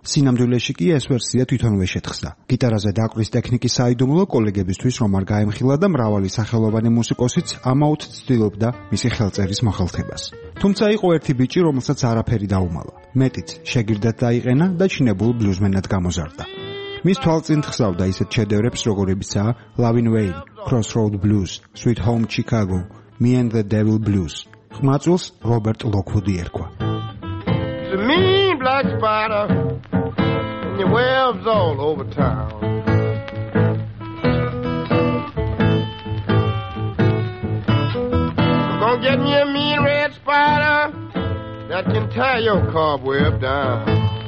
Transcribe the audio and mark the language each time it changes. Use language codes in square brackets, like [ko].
[ka] სინამდვილეში კი ეს ვერსია თვითონვე შეთხზა. გიტარაზე დაკვრის ტექნიკის საიდუმლო კოლეგებისთვის რომ არ გაემხილა და მრავალი სახელოვანი მუსიკოსიც ამაოდ ცდილობდა მისი ხელწერის მოხალთებას. თუმცა იყო ერთი ბიჭი, რომელსაც არაფერი დაუმალა. მეტიც შეგირდად დაიყენა და ჩინებულ ბლუზმენად გამოზარდა. მის თვალწინ ხსავდა ისეთ შედევრებს როგორებიცაა Lovin' Wayne, Crossroad Blues, Sweet Home Chicago, Me and the Devil Blues. ხმაწულს რობერტ ლოკვუდი ერქვა. [en] It's a mean black spider and it webs all over town. Gonna get me a mean red spider that can tie your cobweb down.